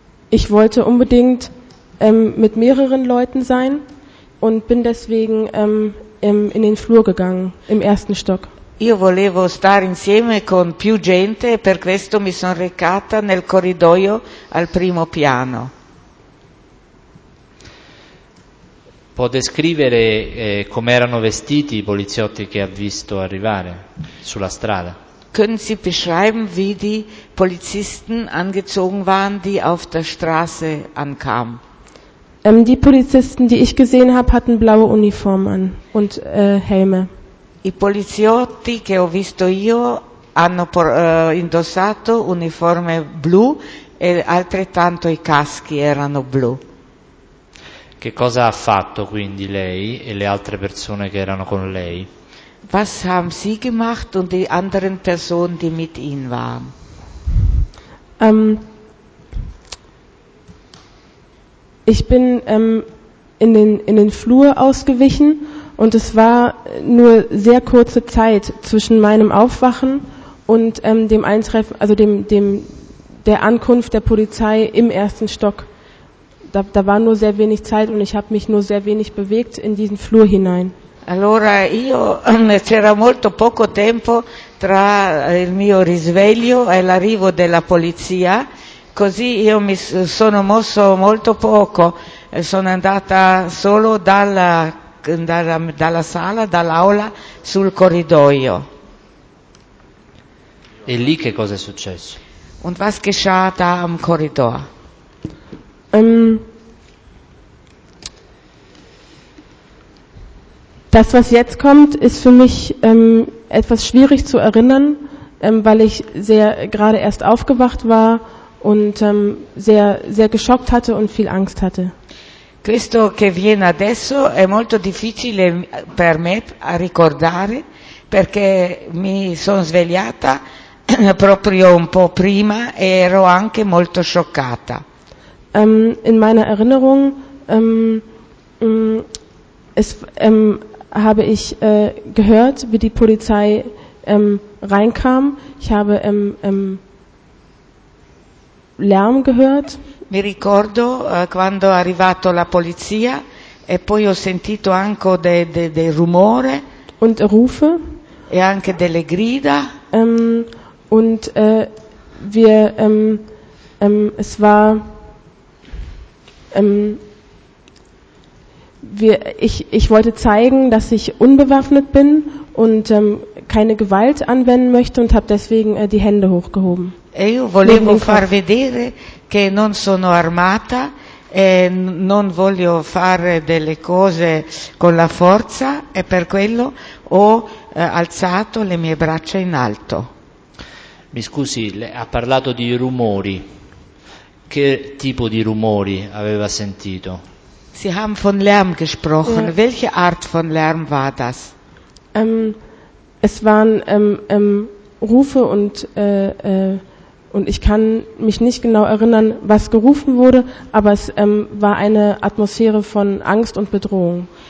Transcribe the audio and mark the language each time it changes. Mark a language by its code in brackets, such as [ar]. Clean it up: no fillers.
[de] Ich wollte unbedingt mit mehreren Leuten sein und bin deswegen in den Flur gegangen, im ersten Stock. [it] Io volevo stare insieme con più gente e per questo mi sono recata nel corridoio al primo piano. Può descrivere come erano vestiti i poliziotti che ha visto arrivare sulla strada? [de] Können Sie beschreiben, wie die Polizisten angezogen waren, die auf der Straße ankamen? Die Polizisten, die ich gesehen habe, hatten blaue Uniformen an und Helme. [it] I poliziotti che ho visto io hanno indossato uniforme blu e altrettanto i caschi erano blu. Che cosa ha fatto quindi lei e le altre persone che erano con lei? [de] Was haben Sie gemacht und die anderen Personen, die mit Ihnen waren? Ich bin in den Flur ausgewichen und es war nur sehr kurze Zeit zwischen meinem Aufwachen und dem Eintreffen, also der Ankunft der Polizei im ersten Stock. Da war nur sehr wenig Zeit und ich habe mich nur sehr wenig bewegt in diesen Flur hinein. [it] Allora io c'era molto poco tempo tra il mio risveglio e l'arrivo della polizia, così io mi sono mosso molto poco, sono andata solo dalla sala, dall'aula, sul corridoio. E lì che cosa è successo? [de] Und was geschah da am Korridor? Das, was jetzt kommt, ist für mich etwas schwierig zu erinnern, weil ich sehr gerade erst aufgewacht war und sehr sehr geschockt hatte und viel Angst hatte. [it] Questo che viene adesso è molto difficile per me a ricordare, perché mi sono svegliata proprio un po' prima e ero anche molto scioccata. [de] In meiner Erinnerung habe ich gehört, wie die Polizei reinkam. Ich habe Lärm gehört. [it] Mi ricordo quando è arrivato la polizia e poi ho sentito anche del rumore [de] und Rufe [it] e anche delle grida. [de] Ich wollte zeigen, dass ich unbewaffnet bin und keine Gewalt anwenden möchte und habe deswegen die Hände hochgehoben. [it] E io volevo far vedere che non sono armata e non voglio fare delle cose con la forza e per quello ho alzato le mie braccia in alto. Mi scusi, ha parlato di rumori. Che tipo di rumori aveva sentito? [de] Sie haben von Lärm gesprochen. Ja. Welche Art von Lärm war das? Es waren Rufe und ich kann mich nicht genau erinnern, was gerufen wurde, aber es war eine Atmosphäre von Angst und Bedrohung.